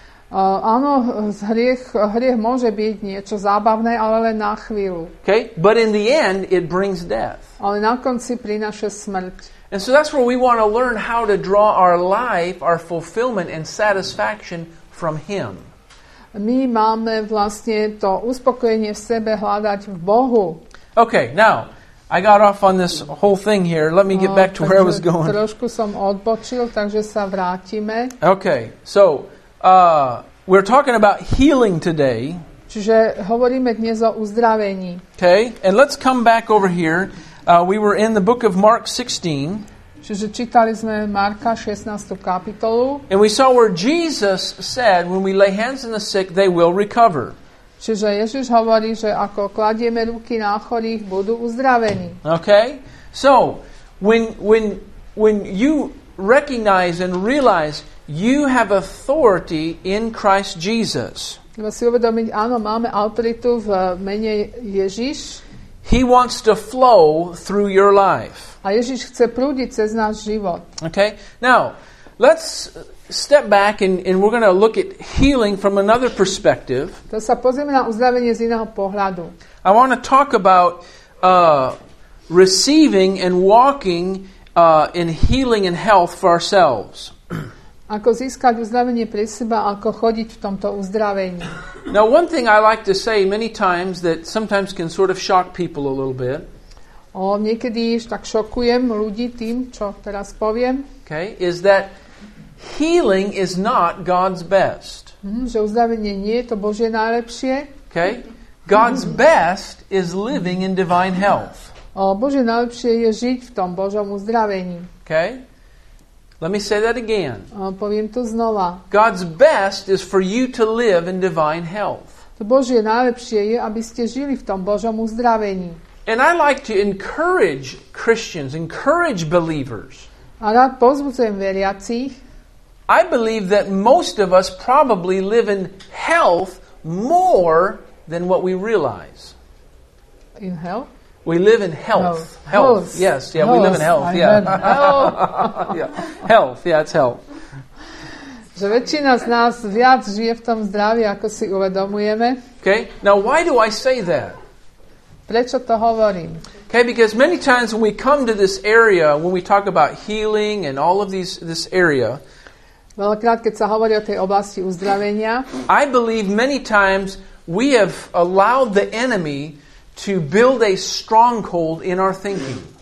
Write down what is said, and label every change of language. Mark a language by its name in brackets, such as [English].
[Slovak] Áno, hriech môže byť niečo zábavné, ale len na chvíľu. [English] Okay, but in the end, it brings death. [Slovak] Ale na konci prináša smrť. [English] And so that's where we want to learn how to draw our life, our fulfillment and satisfaction from him. [Slovak] My máme vlastne to uspokojenie v sebe hľadať v Bohu. [English] Okay, now, I got off on this whole thing here. Let me get back to where I was going. [Slovak] Trošku som odbočil, takže sa vrátime. [English] Okay, so, we're talking about healing today. [Slovak] Čiže hovoríme dnes o uzdravení. [English] Okay, and let's come back over here. We were in the book of Mark 16. [Slovak] Čiže čítali sme Marka 16. kapitolu. [English] And we saw where Jesus said, when we lay hands on the sick, they will recover. [Slovak] Čiže Ježiš hovorí, že ako kladieme ruky na chorých, budú uzdravení. [English] Okay? So, when you recognize and realize you have authority in Christ Jesus. [Slovak] Treba si uvedomiť, áno, máme autoritu v mene Ježiš. [English] He wants to flow through your life. [Slovak] A Ježiš chce prúdiť cez náš život. [English] Okay. Now, let's step back and we're going to look at healing from another perspective. [Slovak] To sa pozrieme na uzdravenie z iného pohľadu. [English] I want to talk about receiving and walking in healing and health for ourselves. [Slovak] Ako získať uzdravenie pre seba, ako chodiť v tomto uzdravení. [English] Now, one thing I like to say many times that sometimes can sort of shock people a little bit. [Slovak] Niekedy tak šokujem ľudí tým, čo teraz poviem. [English] Okay, is that healing is not God's best. [Slovak] Že uzdravenie nie je to Božie najlepšie. [English] Okay, God's best is living in divine health. [Slovak] Božie najlepšie je žiť v tom Božom uzdravení. [English] Okay, let me say that again. [Slovak] Poviem to znova. [English] God's best is for you to live in divine health. [Slovak] To Božie najlepšie je, aby ste žili v tom Božom uzdravení. [English] And I like to encourage Christians, encourage believers. [Slovak] A rád pozbudzujem veriacich. [English] I believe that most of us probably live in health more than what we realize. In health? We live in health. Health. Yes, yeah, health. We live in health. I yeah. Health. Yeah. Health, yeah, it's health. [Slovak] Že väčšina z nás viac žije v tom zdraví, ako si uvedomujeme. [English] Okay. Now why do I say that? [Slovak] Prečo to hovorím? [English] Okay, because many times when we come to this area, when we talk about healing and all of these this area, [Slovak] veľakrát, keď sa hovorí o tej oblasti uzdravenia, [English] I believe many times we have allowed the enemy to build a stronghold in our thinking.